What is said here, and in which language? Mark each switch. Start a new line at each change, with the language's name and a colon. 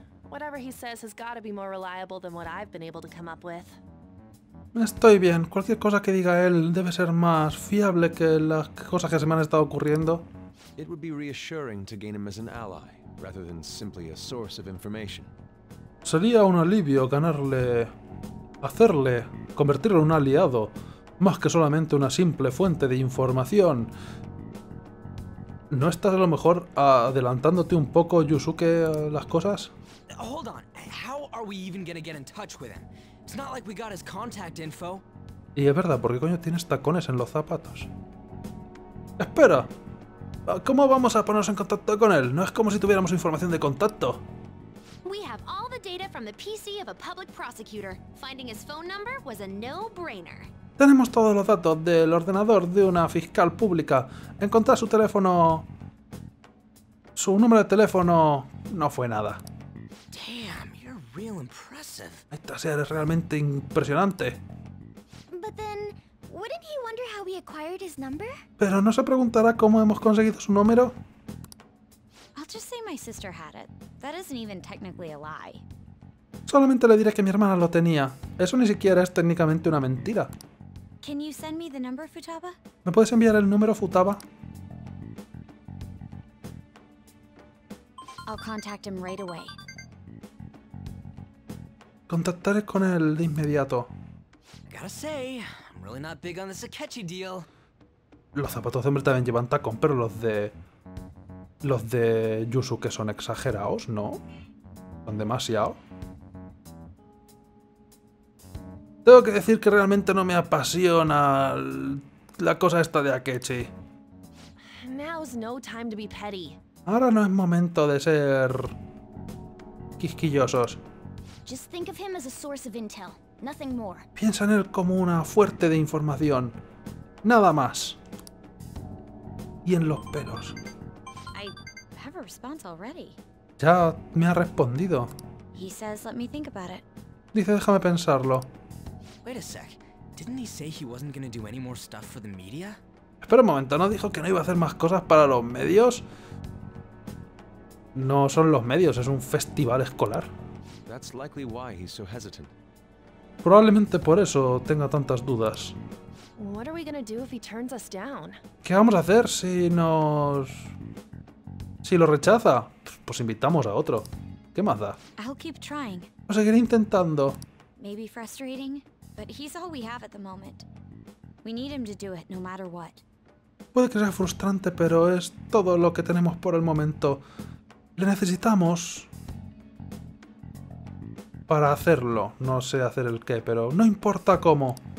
English: Whatever he says has got to be more reliable than what I've been able to come up with.
Spanish: Estoy bien. Cualquier cosa que diga él debe ser más fiable que las cosas que se me han estado ocurriendo.
English: It would be reassuring to gain him as an ally rather than simply a source of information.
Spanish: Sería un alivio ganarle, hacerle, convertirlo en un aliado, más que solamente una simple fuente de información. ¿No estás a lo mejor adelantándote un poco, Yusuke, a las cosas?
English: Hold on, how are we even gonna get in touch with him? It's not like we got his contact info.
Spanish: Y es verdad, ¿por qué coño tienes tacones en los zapatos? Espera, ¿cómo vamos a ponernos en contacto con él? No es como si tuviéramos información de contacto.
English: We have all the data from the PC of a public prosecutor. Finding his phone number was a no-brainer.
Spanish: Tenemos todos los datos del ordenador de una fiscal pública. Encontrar su teléfono, su número de teléfono, no fue nada.
English: Damn, you're real impressive.
Spanish: Esta serie es realmente impresionante.
English: But then, wouldn't he wonder how we acquired his number?
Spanish: Pero ¿no se preguntará cómo hemos conseguido su número?
English: I'll just say my sister had it. That isn't even technically a lie.
Spanish: Solamente le diré que mi hermana lo tenía. Eso ni siquiera es técnicamente una mentira.
English: Can you send me the number, Futaba?
Spanish: ¿Me puedes enviar el número, Futaba?
English: I'll contact him right away.
Spanish: Contactaré con él de inmediato.
English: Gotta say, I'm really not big on this Akechi deal.
Spanish: Los zapatos de hombre también llevan tacón, pero los de Yusuke son exagerados, ¿no? Son demasiado. Tengo que decir que realmente no me apasiona la cosa esta de Akechi.
English: Now's no time to be petty.
Spanish: Ahora no es momento de ser quisquillosos.
English: Just think of him as a source of intel, nothing more.
Spanish: Piensa en él como una fuente de información, nada más. Y en los pelos.
English: I have a response already.
Spanish: Ya me ha respondido.
English: He says, let me think about it.
Spanish: Dice, déjame pensarlo.
English: Wait a sec. Didn't he say he wasn't gonna do any more stuff for the media?
Spanish: Espera un momento, ¿no dijo que no iba a hacer más cosas para los medios? No son los medios, es un festival escolar.
English: That's likely why he's so hesitant.
Spanish: Probablemente por eso tenga tantas dudas.
English: What are we gonna do if he turns us down?
Spanish: ¿Qué vamos a hacer si nos... si lo rechaza? Pues invitamos a otro. ¿Qué más da?
English: I'll keep trying.
Spanish: Lo seguiré intentando.
English: Maybe frustrating, but he's all we have at the moment. We need him to do it, no matter what.
Spanish: Puede que sea frustrante, pero es todo lo que tenemos por el momento. Le necesitamos para hacerlo. No sé hacer el qué, pero no importa cómo.